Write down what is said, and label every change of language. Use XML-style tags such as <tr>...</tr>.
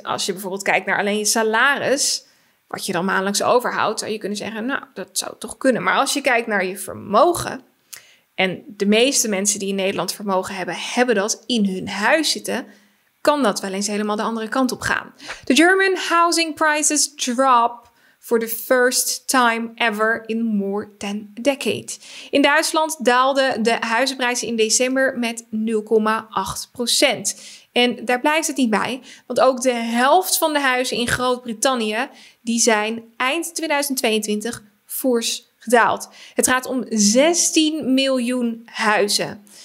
<nl>Als je bijvoorbeeld kijkt naar alleen je salaris, wat je dan maandelijks overhoudt, zou je kunnen zeggen, nou, dat zou toch kunnen. Maar als je kijkt naar je vermogen, en de meeste mensen die in Nederland vermogen hebben, hebben dat in hun huis zitten, kan dat wel eens helemaal de andere kant op gaan.</nl> <en>The German housing prices drop for the first time ever in more than a decade.</en> <nl>In Duitsland daalden de huizenprijzen in december met 0,8%. En daar blijft het niet bij, want ook de helft van de huizen in Groot-Brittannië die zijn eind 2022 fors gedaald. Het gaat om 16 miljoen huizen.</nl>